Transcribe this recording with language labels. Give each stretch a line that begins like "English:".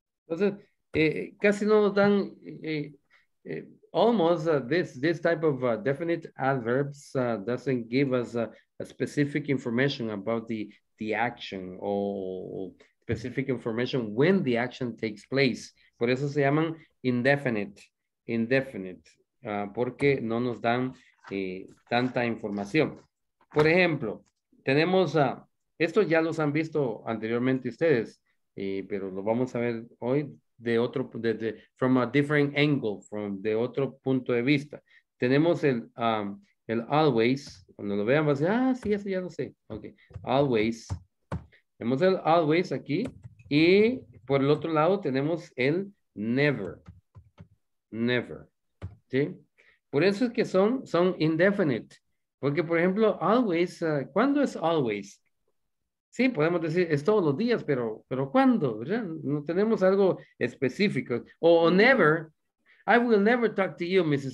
Spanish: Entonces, casi no nos dan,
English: almost this type of definite adverbs doesn't give us a specific information about the action or specific information when the action takes place.
Spanish: Por eso se llaman indefinite, porque no nos dan tanta información. Por ejemplo, tenemos, esto ya los han visto anteriormente ustedes, pero lo vamos a ver hoy.
English: From a different angle, from
Spanish: de otro punto de vista. Tenemos el always, cuando lo vean, va a decir, ah, sí, eso ya lo sé. Ok, always. Tenemos el always aquí, y por el otro lado tenemos el never. Never. ¿Sí? Por eso es que son indefinite. Porque, por ejemplo, always, ¿cuándo es always? Sí, podemos decir, es todos los días, pero ¿cuándo? ¿Verdad? No tenemos algo específico.
English: O never, I will never talk to you, Mrs.